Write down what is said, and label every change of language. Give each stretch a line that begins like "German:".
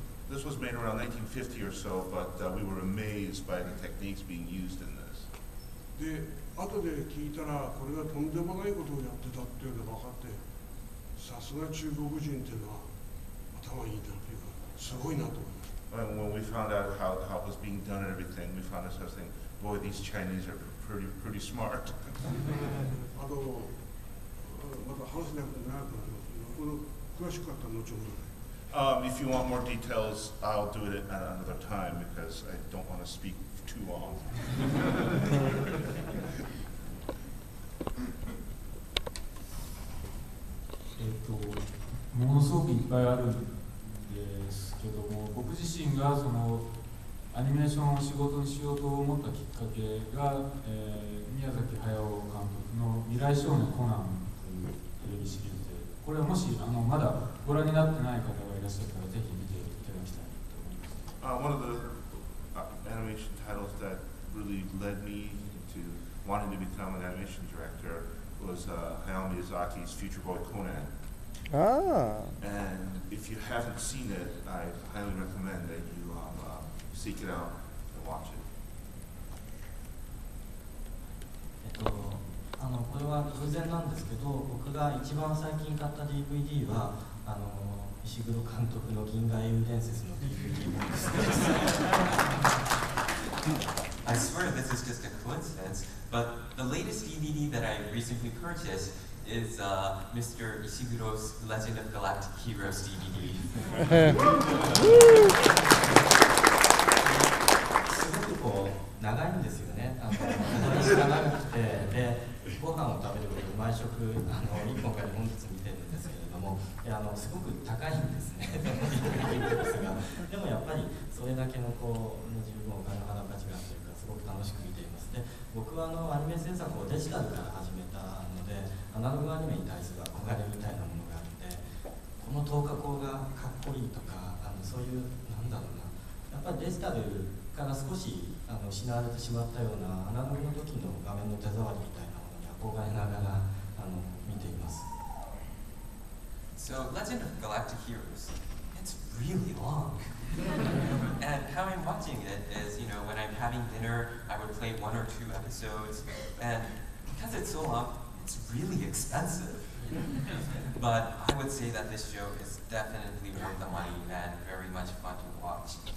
English: This was made around 1950 or so, but we were amazed by the techniques being used in this.
Japanese: 後で聞いたら、これがとんでもないことをやってたっていうのが分かって、さすが中国人っていうのは頭いいなというか、すごいなと思いました。
English: When we found out how it was being done and everything, we found ourselves thinking, boy, these Chinese are pretty smart.
Japanese: あと、また話せなくて長くなりますけど、この詳しかったら後ほどね。
English: If you want more details, I'll do it at another time because I don't want to speak too long.
Japanese: ものすごくいっぱいあるんですけども、僕自身がそのアニメーションを仕事にしようと思ったきっかけが、宮崎駿監督の未来少年コナンというテレビシリーズでこれはもしあのまだご覧になってない方がいらっしゃったらぜひ見ていただきたいと思います。
English: One of the animation titles that really led me to wanting to become an animation director was Hayao Miyazaki's Future Boy Conan. And if you haven't seen it, I highly recommend that you seek it out and watch it.
Japanese: あのこれは偶然なんですけど、僕が一番最近買った DVD はあの石黒監督の銀河英雄伝説の DVD です。
English: I swear this is just a coincidence, but the latest DVD that I recently purchased is Mr. Ishiguro's Legend of Galactic Heroes DVD.
Japanese: すごくこう長いんですよね。あの話が長くて、でご飯を食べることで毎食あの1本か2本ずつ見てるんですけれども、あのすごく高いんですね。ですが、でもやっぱりそれだけのこう自分のお金の価値があるというか、すごく楽しく見ています。で僕はあのアニメ制作をデジタルから始めたので、アナログアニメに対する憧れみたいなものがあって、この透過光がかっこいいとか、あのそういう、なんだろうな、やっぱりデジタルから少しあの失われてしまったような、アナログの時の画面の手触りみたいなものに憧れながらあの見ています。
English: So, Legend of Galactic Heroes, it's really long. And how I'm watching it is, you know, when I'm having dinner, I would play one or two episodes, and because it's so long, it's really expensive. But I would say that this show is definitely worth the money and very much fun to watch.